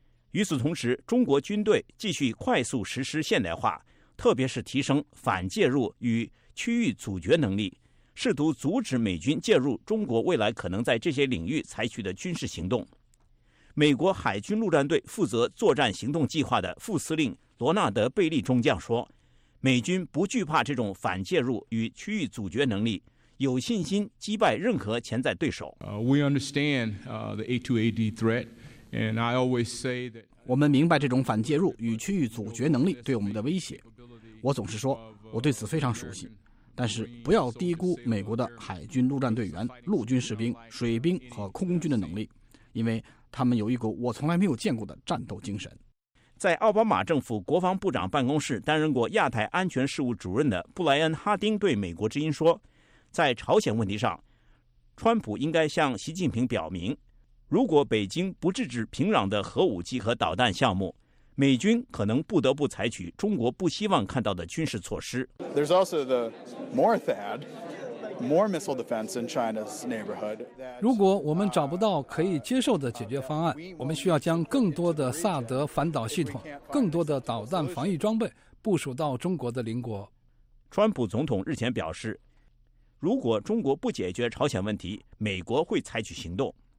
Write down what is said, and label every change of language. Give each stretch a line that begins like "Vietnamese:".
Chinese: 与此同时，中国军队继续快速实施现代化，特别是提升反介入与区域阻绝能力，试图阻止美军介入中国未来可能在这些领域采取的军事行动。美国海军陆战队负责作战行动计划的副司令罗纳德·贝利中将说，美军不惧怕这种反介入与区域阻绝能力，有信心击败任何潜在对手。
English: We understand the A2AD threat, and I always say that
Chinese: 我们明白这种反介入与区域阻绝能力对我们的威胁。我总是说，我对此非常熟悉。但是不要低估美国的海军陆战队员、陆军士兵、水兵和空军的能力，因为他们有一股我从来没有见过的战斗精神。在奥巴马政府国防部长办公室担任过亚太安全事务主任的布莱恩·哈丁对美国之音说，在朝鲜问题上，川普应该向习近平表明，如果北京不制止平壤的核武器和导弹项目，美军可能不得不采取中国不希望看到的军事措施。
English: There's also the more THAAD, more missile defense in China's neighborhood.
Chinese: 如果我们找不到可以接受的解决方案，我们需要将更多的萨德反导系统、更多的导弹防御装备部署到中国的邻国。川普总统日前表示，如果中国不解决朝鲜问题，美国会采取行动。